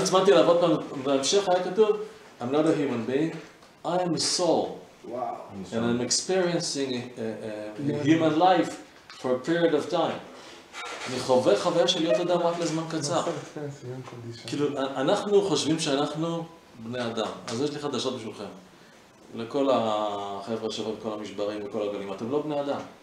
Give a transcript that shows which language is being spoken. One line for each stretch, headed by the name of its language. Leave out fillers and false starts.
Hebrew: ואז הצמדתי לעבוד פעם, בהמשך היה כתוב,
English: I'm not a human being, I am a soul. And I'm experiencing human life for a period of time.
Hebrew: אני חווה חוויה של להיות אדם רק לזמן קצר. כאילו, אנחנו חושבים שאנחנו בני אדם. אז יש לי חדשות בשבילכם. לכל החבר'ה שלכם, כל המשברים וכל הגלים, אתם לא בני אדם.